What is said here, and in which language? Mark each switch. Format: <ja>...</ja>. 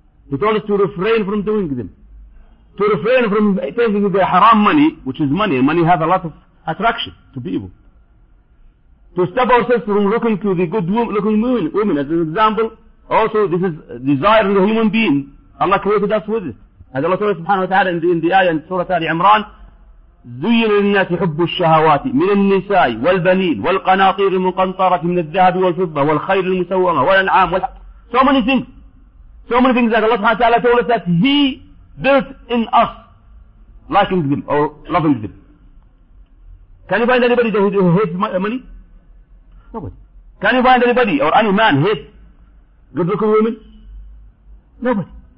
<en>He told us to refrain from doing them. To refrain from taking the haram money, which is money, and money has a lot of attraction to people. To stop ourselves from looking to the good looking women, as an example. Also, this is desire in the human being. Allah created us with it. As Allah told us subhanahu wa ta'ala in the ayah in Surah Ali Imran,</en> <ar>زين للناس حب الشهوات من النساء والبنين والقناطير المقنطرة من الذهب والفضة والخير المسومة والأنعام والحق.</ar> <en>So many things. So many things that Allah subhanahu wa ta'ala told us that He built in us liking them or loving them. Can you find anybody that hates money? Nobody. Can you find anybody or any man hates good looking women? Nobody.</en>